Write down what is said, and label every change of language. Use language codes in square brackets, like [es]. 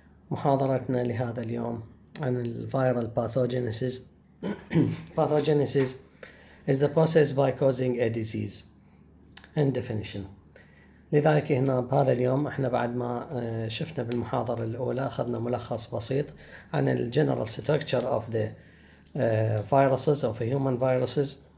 [ar] محاضرتنا لهذا اليوم عن الـ viral pathogenesis. [en] Pathogenesis is the process by causing a disease. End definition. [ar] لذلك هنا بهذا اليوم احنا بعد ما شفنا بالمحاضرة الأولى أخذنا ملخص بسيط عن الـ [en] general structure of the viruses of human viruses.